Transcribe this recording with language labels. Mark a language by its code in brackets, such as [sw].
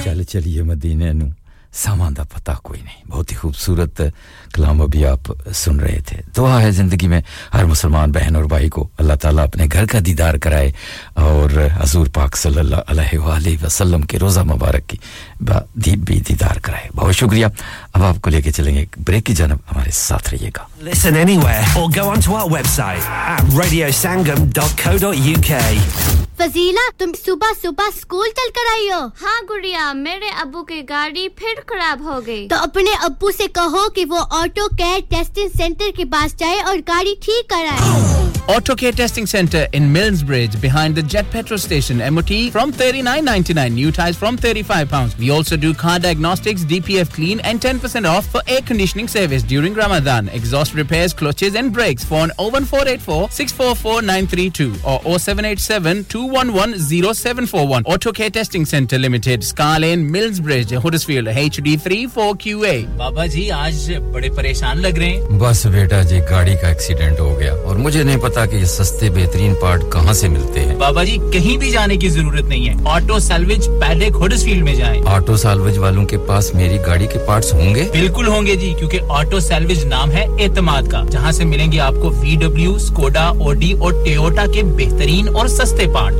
[pa] چلیے مدینے نو سامان دا پتا کوئی نہیں. [ur] بہت ہی خوبصورت کلام ابھی آپ سن رہے تھے. دعا ہے زندگی میں ہر مسلمان بہن اور بھائی کو اللہ تعالیٰ اپنے گھر کا دیدار کرائے اور حضور پاک صلی اللہ علیہ وآلہ وسلم کے روزہ مبارک کی دید بھی دیدار کرائے. بہت شکریہ. اب آپ کو لے کے چلیں گے بریک کی جانب. ہمارے ساتھ رہیے گا. [en] Listen anywhere or go onto our website at radiosangam.co.uk. [ur] فضیلہ تم صبح صبح سکول چل کر آئی ہو؟ ہاں گڑیا, میرے ابو کی گاڑی پھر خراب ہو گئی. تو اپنے ابو سے کہو کہ وہ آٹو کیئر ٹیسٹنگ سینٹر کے پاس جائے اور گاڑی ٹھیک کرائے. [en] Auto Care Testing Center in Milnes Bridge behind the Jet Petrol Station. MOT from £39.99. New tyres from £35. We also do car diagnostics, DPF clean and 10% off for air conditioning service during Ramadan. Exhaust repairs, clutches and brakes. Phone 01484-644-932 or 0787-211-0741. Auto Care Testing Center Limited, Scar Lane, Milnes Bridge, Huddersfield, HD34QA. [ur] Baba ji, aaj bade pareshan lag rahe hain. Bas beta ji, gaadi ka accident ho gaya aur mujhe nahi pata کہ یہ سستے بہترین part کہاں سے ملتے ہیں. بابا جی کہیں بھی جانے کی ضرورت نہیں ہے. آٹو سالویج پیڈک ہڈس فیلڈ میں جائیں. آٹو سالویج والوں کے پاس میری گاڑی کے پارٹس ہوں گے؟ بالکل ہوں گے جی, کیونکہ آٹو سالویج نام ہے اعتماد کا, جہاں سے ملیں گے آپ کو وی ڈبلیو, سکوڈا, اوڈی اور ٹیوٹا کے بہترین اور سستے پارٹ.